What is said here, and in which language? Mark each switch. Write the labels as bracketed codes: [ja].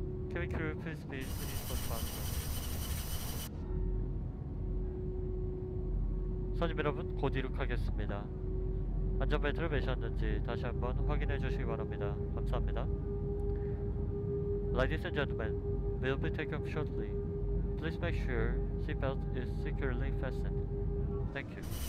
[en] Can we clear up his space, please, for the bathroom? [ko] 손님 여러분, 곧 이륙하겠습니다. 안전벨트를 매셨는지 다시 한번 확인해 주시기 바랍니다. 감사합니다. [en] Ladies and gentlemen, we'll be taking off shortly. Please make sure seatbelt is securely fastened. Thank you.